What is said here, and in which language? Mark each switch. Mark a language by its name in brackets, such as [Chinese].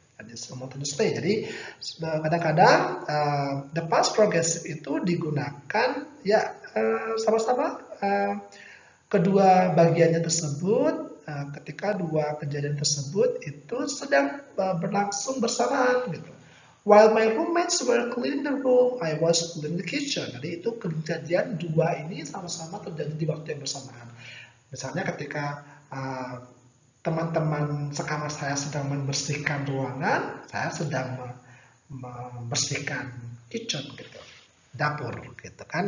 [Indonesian] Jadi kadang-kadang the past progressive itu digunakan ya sama-sama kedua bagiannya tersebut ketika dua kejadian tersebut itu sedang berlangsung bersamaan gitu. [English] While my roommates were cleaning the room, I was cleaning the kitchen. [Indonesian] Jadi itu kejadian dua ini sama-sama terjadi di waktu yang bersamaan. Misalnya ketika teman-teman sekamar saya sedang membersihkan ruangan, saya sedang membersihkan kitchen gitu, dapur gitu kan.